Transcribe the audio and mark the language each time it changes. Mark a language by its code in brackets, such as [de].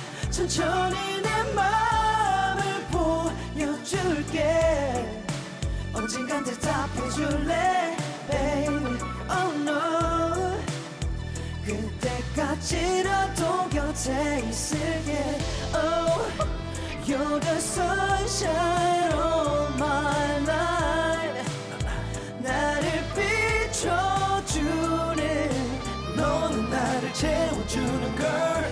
[ko] 천천히 내 맘을 보여줄게. 언젠간 대답해줄래, baby. Oh no. 그때까지라도 곁에 있을게. [en] Oh, you're the sunshine of my life. [ko] 나를 비춰주는 너는 나를 채워주는 girl.